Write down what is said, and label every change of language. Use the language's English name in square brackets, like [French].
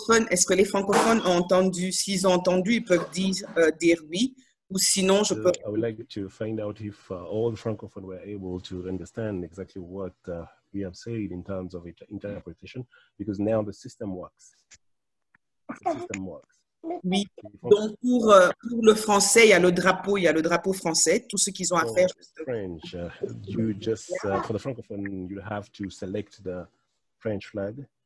[French] Est-ce que les francophones ont entendu, s'ils ont entendu, ils peuvent dire oui, ou sinon je peux. [English] I would like to find out if all the francophones were able to understand exactly what we have said in terms of interpretation, because now the system works. [French] Oui. Donc pour le français, il y a le drapeau français. Tout ce qu'ils ont à faire. [English] French. For the francophone, you have to select the French flag.